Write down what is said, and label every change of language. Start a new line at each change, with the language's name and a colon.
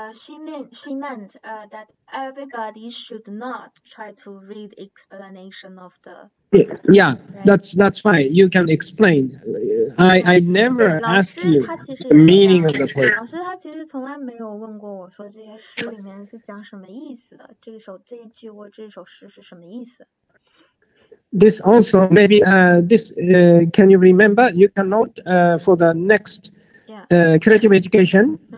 English: She meant that everybody should not try to read explanation of the. Yeah, right? that's fine. You can explain. I never asked you the meaning of the poem.
Chinese: 老师他其实从来没有问过我说这些诗里面是讲什么意思的，这首这一句或这首诗是什么意思。
English: This also maybe can you remember? You can note for the next creative education.